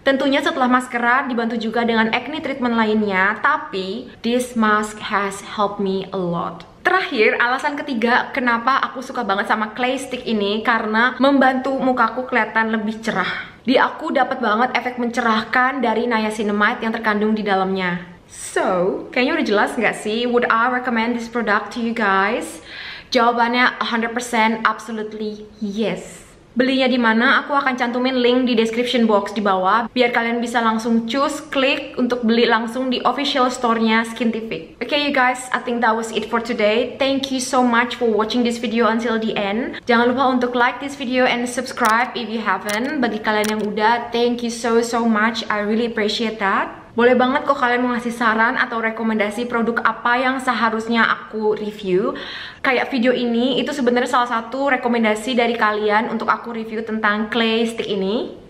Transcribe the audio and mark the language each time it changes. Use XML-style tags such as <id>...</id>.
<id>Tentunya setelah maskeran dibantu juga dengan acne treatment lainnya, tapi</id> <en>this mask has helped me a lot.</en> <id>Terakhir, alasan ketiga kenapa aku suka banget sama clay stick ini karena membantu mukaku kelihatan lebih cerah. Di aku dapat banget efek mencerahkan dari niacinamide yang terkandung di dalamnya. So, kayaknya udah jelas nggak sih?</id> <en>Would I recommend this product to you guys?</en> <id>Jawabannya 100% absolutely yes. Belinya di mana? Aku akan cantumin link di description box di bawah biar kalian bisa langsung choose, klik untuk beli langsung di official store-nya Skintific.</id> <en>Okay, you guys, I think that was it for today. Thank you so much for watching this video until the end.</en> <id>Jangan lupa untuk</id> <en>like this video and subscribe if you haven't.</en> <id>Bagi kalian yang udah,</id> <en>thank you so much. I really appreciate that.</en> <id>Boleh banget kok kalian mau ngasih saran atau rekomendasi produk apa yang seharusnya aku review. Kayak video ini, itu sebenarnya salah satu rekomendasi dari kalian untuk aku review tentang clay stick ini.</id>